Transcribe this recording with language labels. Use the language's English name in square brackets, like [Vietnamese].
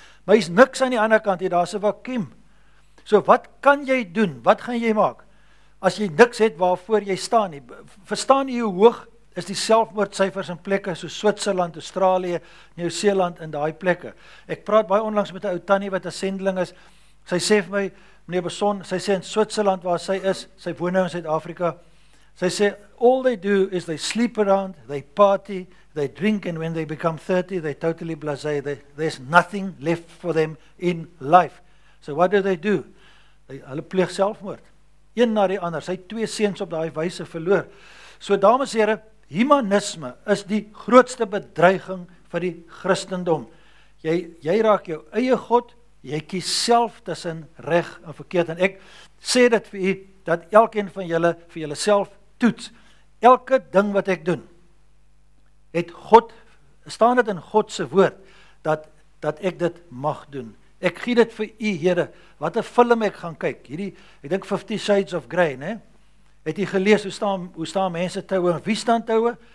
[Afrikaans] Maar hier's niks aan die ander kant hier, daar's 'n vakuum. So wat kan jy doen? Wat gaan jy maak? As jy niks het waarvoor jy staan nie. Verstaan jy hoe hoog is die selfmoordsyfers in plekke soos Switserland, Australië, Nieu-Seeland en daai plekke? Ek praat baie onlangs met 'n ou tannie wat 'n sendeling is. Sy sê vir my, meneer Beson, sy sê in Switserland waar sy is, sy woon nou in Suid-Afrika, sy sê, [English] all they do is they sleep around, they party, they drink, and when they become 30, they totally blasé, there's nothing left for them in life. So what do they do? [Afrikaans] Hulle pleeg selfmoord, een na die ander. Sy het 2 seuns op daai wyse verloor. So dames en here, humanisme is die grootste bedreiging vir die Christendom. Jy raak jou eie God, jy kies self tussen reg en verkeerd, en ek sê dit vir u, dat elkeen van julle vir julleself toets. Elke ding wat ek doen, het God, staan dit in God se woord, dat ek dit mag doen. Ek gee dit vir u, Here. Wat 'n film ek gaan kyk, hierdie, ek dink 50 Shades of Grey, ne? Het u gelees, hoe staan mense toue, en wie staan toue?